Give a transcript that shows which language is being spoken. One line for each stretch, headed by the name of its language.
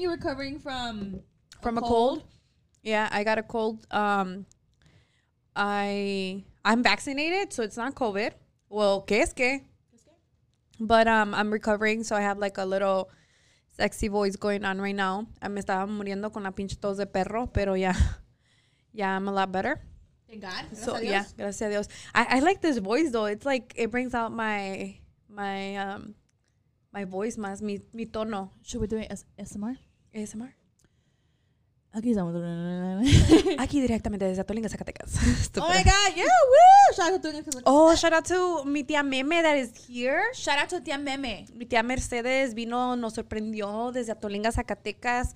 English: You recovering from a cold? Yeah, I got a cold. I'm vaccinated, so it's not COVID. Well,
Spanish: ¿qué es qué?
English: But I'm recovering, so I have like a little sexy voice going on right now.
Spanish: Me estaba muriendo con la pinche tos de perro, pero ya.
English: Yeah, I'm a lot better. Thank God.
Spanish: Gracias so, a Dios.
English: Yeah,
Spanish: gracias a Dios.
English: I like this voice, though. It's like, it brings out my voice
Spanish: más, mi tono.
English: Should we do it as ASMR? ASMR?
Spanish: Aquí estamos. Aquí directamente desde Atolinga, Zacatecas.
English: Oh, my God. Yeah, woo! Shout out to Atolinga. Oh, shout out to mi tía Meme that is here. Shout out to tía Meme.
Spanish: Mi tía Mercedes vino, nos sorprendió desde Atolinga, Zacatecas.